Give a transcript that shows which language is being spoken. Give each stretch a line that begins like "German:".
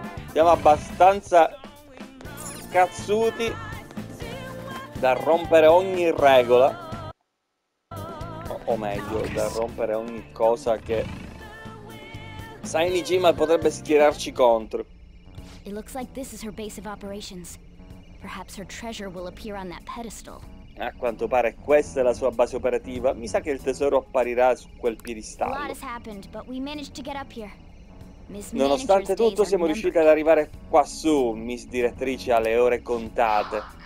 Italian: Siamo abbastanza cazzuti da rompere ogni regola. O meglio, da rompere ogni cosa che Saini Jima potrebbe schierarci contro.
English: It looks like this is her base of operations. Perhaps her treasure will appear on that pedestal.
Italian: A quanto pare questa è la sua base operativa. Mi sa che il tesoro apparirà su quel piedistallo.
English: What has happened, but we managed to get up here.
Italian: Nonostante tutto siamo riusciti ad arrivare quassù, Miss Direttrice ha le ore contate.